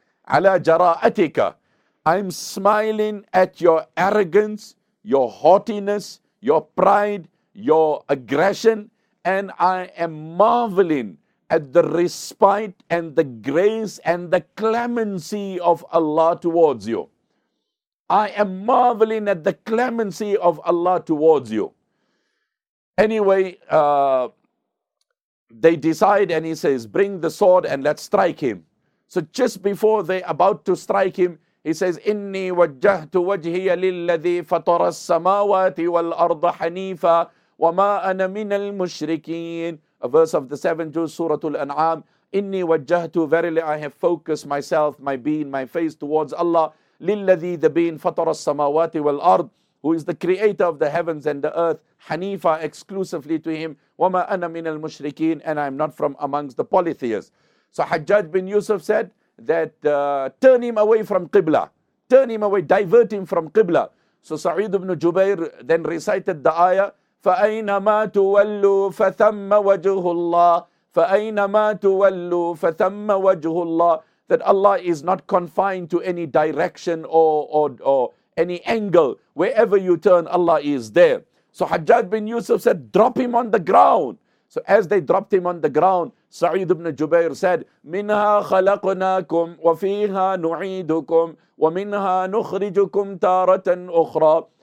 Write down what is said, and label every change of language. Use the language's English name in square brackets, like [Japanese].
[Arabic] Ala jara'atika, [English] I'm smiling at your arrogance, your haughtiness, your pride, your aggression, and I am marveling at the respite and the grace and the clemency of Allah towards you. I am marveling at the clemency of Allah towards you. Anyway, they decide, and he says, bring the sword and let's strike him. So just before they're about to strike him, he says, [Arabic] إِنِّي وَجَّهْتُ وَجْهِيَ لِلَّذِي فَطَرَ السَّمَاوَاتِ وَالْأَرْضَ حَنِيفًا وَمَا أَنَا مِنَ الْمُشْرِكِينَ. [English] A verse of the 7th Juz, Surah Al-An'am. [Arabic] إِنِّي وَجَّهْتُ. [English] Verily I have focused myself, my being, my face towards Allah. [Arabic] لِلَّذِي [English] the being [Arabic] فَطَرَ السَّمَاوَاتِ وَالْأَرْضِ. [English] Who is the creator of the heavens and the earth. حَنِيفًا, exclusively to him. [Arabic] وَمَا أَنَا مِنَ الْمُشْرِكِينَ. [English] And I am not from amongst the polytheists. So Hajjaj bin Yusuf said that turn him away from Qibla. Turn him away, divert him from Qibla. So Sa'id ibn Jubayr then recited the ayah, [Arabic] فَأَيْنَمَا تُوَلُّوا فَثَمَّ وَجْهُ اللَّهِ فَأَيْنَمَا تُوَلُّوا فَثَمَّ وَجْهُ اللَّهِ. [English] That Allah is not confined to any direction or any angle. Wherever you turn, Allah is there. So Hajjaj bin Yusuf said, drop him on the ground. So as they dropped him on the ground, Sa'id ibn Jubayr said, [Arabic] مِنْهَا خَلَقْنَاكُمْ وَفِيهَا نُعِيدُكُمْ وَمِنْهَا نُخْرِجُكُمْ تَارَةً أُخْرَى.